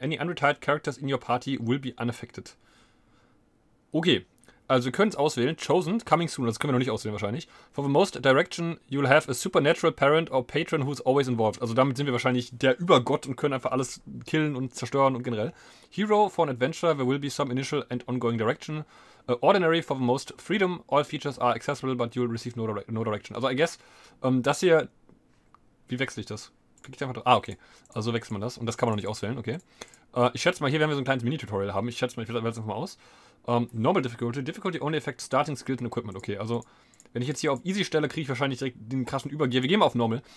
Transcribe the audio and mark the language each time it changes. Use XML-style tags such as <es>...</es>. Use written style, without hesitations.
<en>Any unretired characters in your party will be unaffected.</en> <de>Okay, also wir können es auswählen.</de> <en>Chosen, coming soon.</en> <de>Das können wir noch nicht auswählen wahrscheinlich.</de> <en>For the most direction, you'll have a supernatural parent or patron who's always involved.</en> <de>Also damit sind wir wahrscheinlich der Übergott und können einfach alles killen und zerstören und generell.</de> <en>Hero for an adventure, there will be some initial and ongoing direction. Ordinary for the most freedom, all features are accessible, but you'll receive no direction.</en> <de>Also</de> <en>I guess,</en> <de>das hier, wie wechsle ich das? Klicke ich einfach drauf? Ah, okay. Also wechselt man das und das kann man noch nicht auswählen, okay. Ich schätze mal, hier werden wir so ein kleines Mini-Tutorial haben. Ich schätze mal, ich wähle es einfach mal aus. Normal Difficulty.</de> <en>Difficulty only affects starting skills and equipment.</en> <de>Okay, also wenn ich jetzt hier auf Easy stelle, kriege ich wahrscheinlich direkt den krassen Übergear. Wir gehen mal auf Normal.</de>